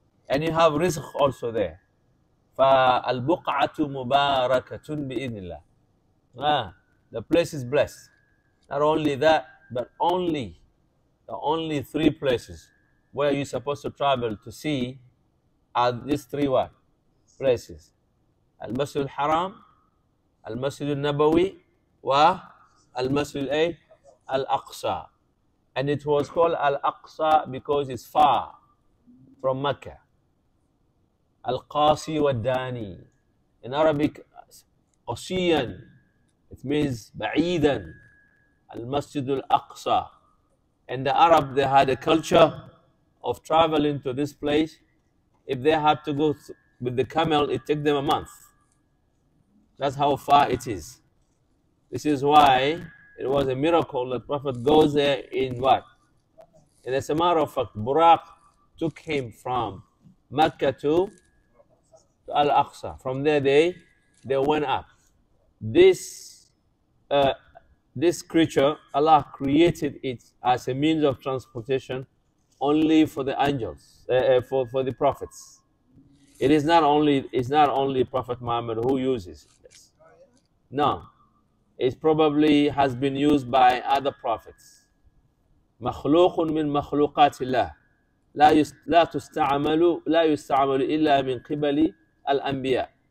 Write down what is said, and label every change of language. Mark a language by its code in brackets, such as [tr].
[en] And you have rizq also there. [ar] فَالْبُقْعَةُ مُبَارَكَةٌ بِإِذْنِ اللَّهِ. [en] The place is blessed. Not only that, but the only three places where you're supposed to travel to see are these three what? Places. [ar] المسجد الحرام, المسجد النبوي, والمسجد الأقصى. [en] And it was called Al-Aqsa because it's far from Mecca. Al-Qasi wa Dani. In Arabic, Qasiyan, it means Ba'idan, Al-Masjid Al-Aqsa. And the Arab, they had a culture of traveling to this place. If they had to go with the camel, it took them a month. That's how far it is. This is why it was a miracle that Prophet goes there in what? And as a matter of fact, Buraq took him from Mecca to Al-Aqsa. From there they went up. This creature, Allah created it as a means of transportation only for the angels, for the prophets. It's not only Prophet Muhammad who uses this. No. It probably has been used by other prophets. [ar] مخلوق من مخلوقات الله لا يستعمل إلا من قبل الأنبياء.